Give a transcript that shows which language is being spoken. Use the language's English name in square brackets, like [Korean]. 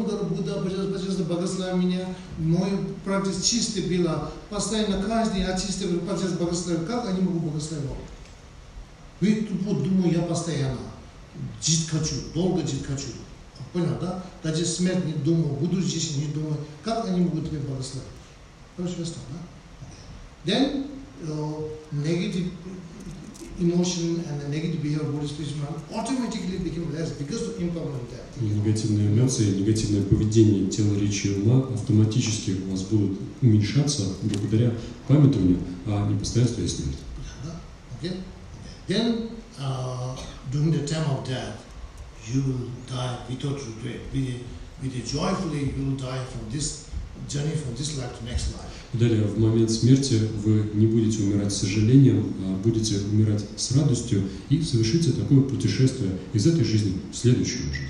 [Russian] Потом, когда Будда божественно благословил меня, мой практика чистая была, постоянно каждый, а чистый процесс благословил. Как я не могу благословить? Вы тут вот думаю, я постоянно жить хочу, долго жить хочу. Понял, да? Даже смерть не думал, буду здесь не думал. Как они могут тебе благословить? Короче, место, да? [English] Then, negative emotion and the negative behavior of Buddhist wisdom automatically became less because of impermanent death. [Russian] Негативные эмоции, негативное поведение тела, речи и ума автоматически у вас будут уменьшаться благодаря памятованию о непостоянстве и смерти. [English] Then, during the time of death, you will die without regret. With a joyfully, you will die from this journey from this life to next life. [Russian] Далее, в момент смерти вы не будете умирать с сожалением, а будете умирать с радостью и совершите такое путешествие из этой жизни в следующую